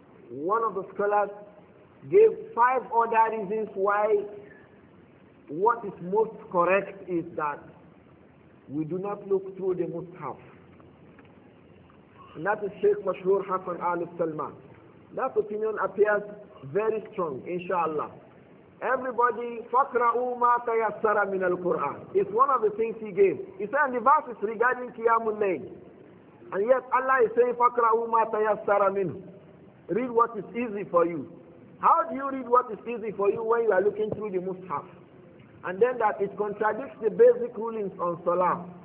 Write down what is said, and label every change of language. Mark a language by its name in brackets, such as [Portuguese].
[English] One of the scholars gave five other reasons why what is most correct is that we do not look through the Mus'haf. And that is Sheikh Mashhur Hassan Ali Salman. That opinion appears very strong, inshallah. Everybody, [Arabic] فَقْرَأُوا مَا تَيَسَّرَ مِنَ الْقُرْآنِ. [English] It's one of the things he gave. He said in the verses regarding Qiyamul Layl. And yet Allah is saying, [Arabic] فَقْرَأُوا مَا تَيَسَّرَ مِنْهُ. [English] Read what is easy for you. How do you read what is easy for you when you are looking through the Mus'haf? And then that it contradicts the basic rulings on Salah.